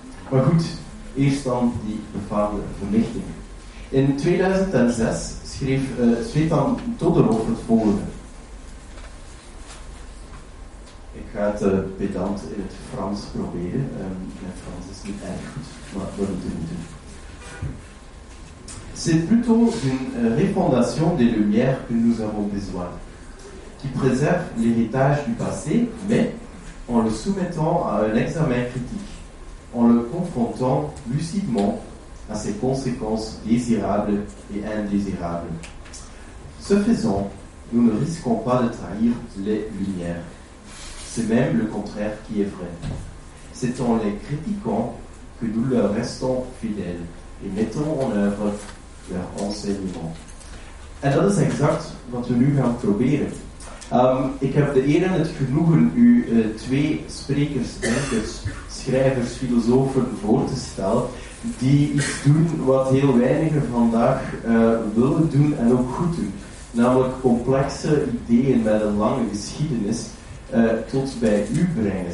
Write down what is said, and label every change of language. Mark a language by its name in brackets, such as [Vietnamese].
[Dutch] Maar goed, eerst dan die befaamde verlichting. In 2006 schreef Svetan Todorov het volgende. Ik ga het pedant in het Frans proberen. Mijn Frans is niet erg goed, maar we moeten het doen. [French] C'est plutôt d'une refondation des lumières que nous avons besoin, qui préserve l'héritage du passé, mais en le soumettant à un examen critique, en le confrontant lucidement à ses conséquences désirables et indésirables. Ce faisant, nous ne risquons pas de trahir les lumières. C'est même le contraire qui est vrai. C'est en les critiquant que nous leur restons fidèles et mettons en œuvre leur enseignement. [Dutch] En dat is exact wat we nu gaan proberen. Ik heb de eer en het genoegen u twee sprekers, denkers, schrijvers, filosofen voor te stellen die iets doen wat heel weinigen vandaag willen doen en ook goed doen. Namelijk complexe ideeën met een lange geschiedenis tot bij u brengen.